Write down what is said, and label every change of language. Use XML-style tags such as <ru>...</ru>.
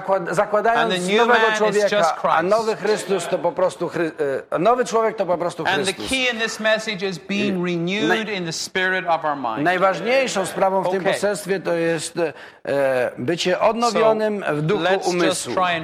<pl>Zakładając nowego człowieka. A nowy Chrystus to po prostu nowy człowiek to po prostu Chrystus.</pl> <en>And the key in this message is being renewed in the spirit of our mind.</en> <pl>Najważniejszą sprawą w tym poselstwie to jest bycie odnowionym w duchu umysłu.</pl>